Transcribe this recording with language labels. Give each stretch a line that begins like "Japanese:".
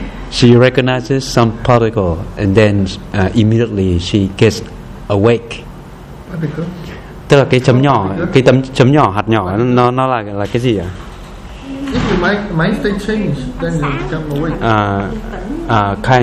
English: She recognizes some particle, and then immediately she gets awake. Particle.
Vietnamese: Tức là cái chấm nhỏ, cái tấm chấm nhỏ, hạt nhỏ, nó là cái gì ạ?
English: If your mind state change, then you become awake.